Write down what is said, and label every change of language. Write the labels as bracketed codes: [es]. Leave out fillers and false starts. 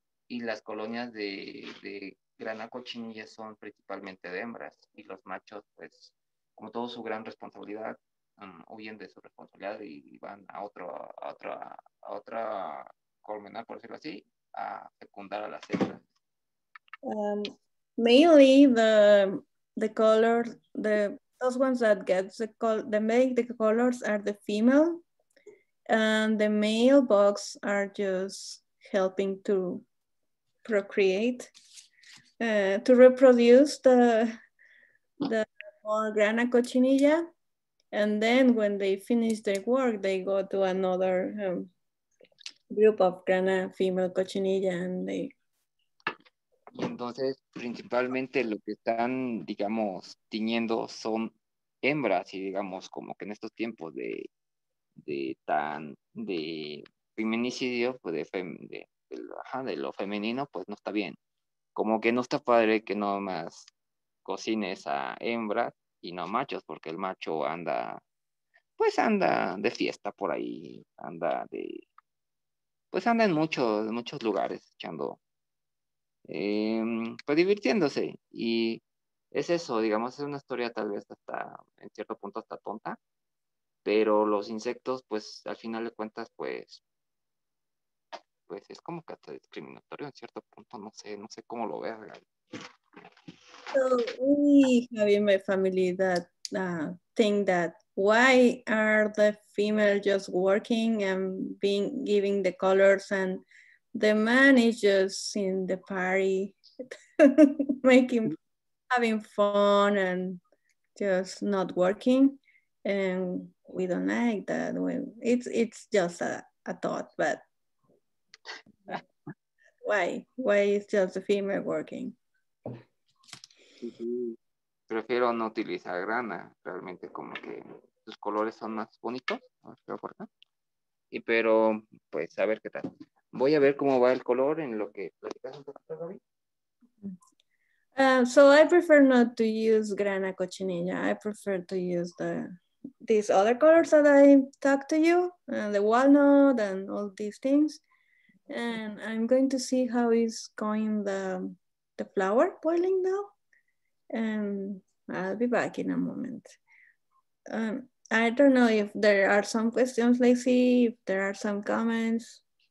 [es] Y las colonias de grana cochinilla son principalmente de hembras. Y los machos, pues, como todo su gran responsabilidad, huyen de su responsabilidad y van a otra colmenar, por decirlo así, a fecundar a las hembras. [en] Mainly the colors, those ones that get the colors are the female. And the male bugs are just helping to procreate, to reproduce the more grana cochinilla, and then when they finish their work, they go to another group of grana female cochinilla, and they. [es] Y entonces, principalmente lo que están, digamos, tiñendo son hembras, y digamos, como que en estos tiempos de feminicidio, pues de lo femenino, pues no está bien. Como que no está padre que no más cocines a hembras y no a machos, porque el macho anda de fiesta por ahí, anda en muchos lugares echando, pues divirtiéndose. Y es eso, digamos, es una historia tal vez hasta, en cierto punto, hasta tonta, pero los insectos, pues al final de cuentas, pues es como que hasta discriminatorio en cierto punto, no sé cómo lo veas. [en] So we have in my family that think that why are the female just working and being giving the colors and the man is just in the party making having fun and just not working, and we don't like that. It's just a thought, but why is just a female working? [es] Prefiero no utilizar grana, realmente como que sus colores son más bonitos, no sé por qué. Y pero pues a ver qué tal. Voy a ver cómo va el color en lo que platicas un poquito, Gaby. [en] So I prefer not to use grana cochinilla. I prefer to use these other colors that I talked to you, the walnut and all these things. And I'm going to see how is going the flour boiling now. And I'll be back in a moment. I don't know if there are some questions, Lacey, if there are some comments.